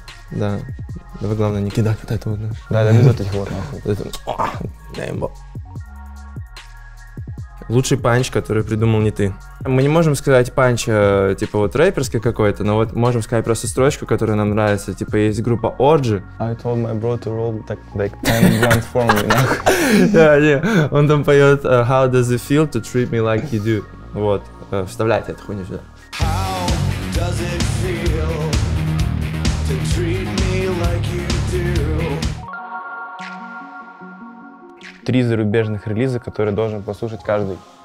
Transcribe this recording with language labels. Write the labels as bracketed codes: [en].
[ru] Да. Вы, главное, не кидать вот это вот. Да, да, без этих вот, нахуй. Дай им бог. Лучший панч, который придумал не ты. Мы не можем сказать панч, типа вот рэперский какой-то, но вот можем сказать просто строчку, которая нам нравится. Типа есть группа Orgy. [en] I told my bro to roll like 10 grand for me, [ru] нахуй. Да, не, он там поет [en] How does it feel to treat me like you do. [ru] Вот, вставляйте эту хуйню сюда. [en] How does it feel to treat me like you do? [ru] Три зарубежных релиза, которые должен послушать каждый.